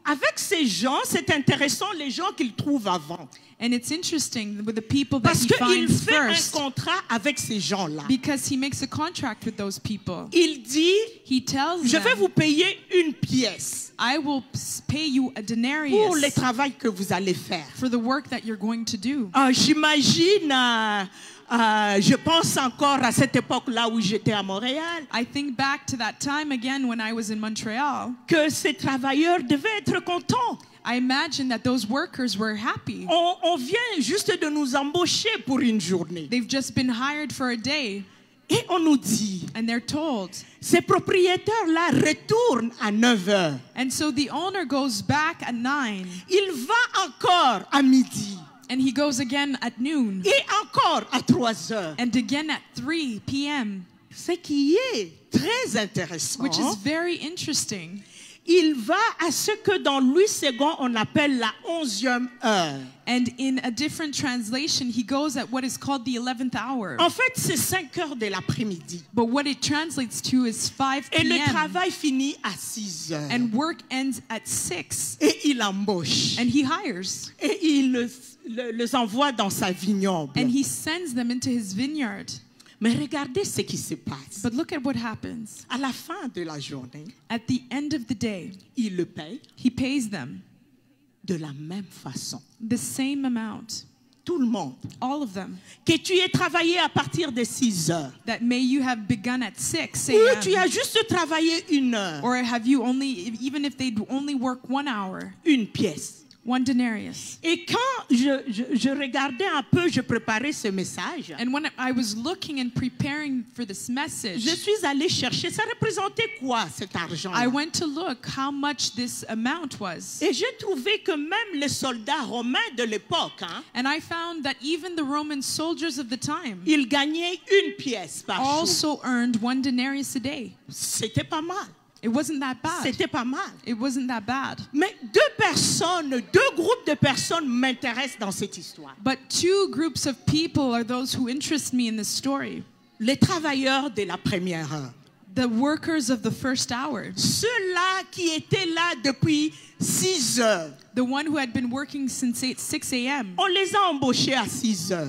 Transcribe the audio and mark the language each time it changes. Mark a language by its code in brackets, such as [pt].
[fr] Avec ces gens, c'est intéressant les gens qu'il trouve avant. [en] And it's interesting with the people that he finds first. [fr] Parce qu'il fait un contrat avec ces gens-là. [en] Because he makes a contract with those people. [fr] Il dit, [en] he tells [fr] je vais [en] them, [fr] vous payer une pièce. [en] I will pay you a denarius [fr] pour le travail que vous allez faire. [en] For the work that you're going to do. [fr] J'imagine, je pense encore à cette époque-là où j'étais à Montréal. [en] I think back to that time again when I was in Montreal. [fr] Que ces travailleurs devaient être contents. [en] I imagine that those workers were happy. [fr] On vient juste de nous embaucher pour une journée. [en] They've just been hired for a day. [fr] Et on nous dit, [en] and they're told, [fr] ces propriétaires-là retournent à 9 heures. [en] And so the owner goes back at 9. [fr] Il va encore à midi. [en] And he goes again at noon. [fr] Et encore à 3 heures. [en] And again at 3 p.m. [fr] Ce qui est très intéressant. [en] Which is very interesting. [fr] Il va à ce que dans Louis II, on appelle la 11e heure. [en] And in a different translation, he goes at what is called the 11th hour. [fr] En fait, c'est 5 heures de l'après-midi. [en] But what it translates to is 5 p.m. [fr] Et le travail finit à 6 heures. [en] And work ends at 6. [fr] Et il embauche. [en] And he hires. [fr] Et il les envoie dans sa vignoble. [en] And he sends them into his vineyard. [fr] Mais regardez ce qui se passe. [en] But look at what happens. [fr] À la fin de la journée, [en] at the end of the day, [fr] il le paye. [en] He pays them. [fr] De la même façon. [en] The same amount. [fr] Tout le monde. [en] All of them. [fr] Que tu aies travaillé à partir de 6 heures. [en] That may you have begun at 6 [fr] a.m. Ou tu as juste travaillé une heure. [en] Or have you only, even if they'd only work 1 hour. [fr] Une pièce. [en] One denarius. [fr] Et quand je regardais un peu, je préparais ce message. [en] And when I was looking and preparing for this message, [fr] je suis allé chercher. Ça représentait quoi cet argent? [en] I went to look how much this amount was. [fr] Et j'ai trouvé que même les soldats romains de l'époque, hein, [en] and I found that even the Roman soldiers of the time, [fr] ils gagnaient une pièce par [en] also [fr] jour. [en] Earned one denarius a day. [fr] C'était pas mal. [en] It wasn't that bad. [fr] C'était pas mal. [en] It wasn't that bad. [fr] Mais deux personnes, deux groupes de personnes m'intéressent dans cette histoire. [en] But two groups of people are those who interest me in this story. [fr] Les travailleurs de la première heure. [en] The workers of the first hour. [fr] Ceux-là qui étaient là depuis 6 heures. [en] The one who had been working since 6 a.m. [fr] On les a embauchés à 6 heures.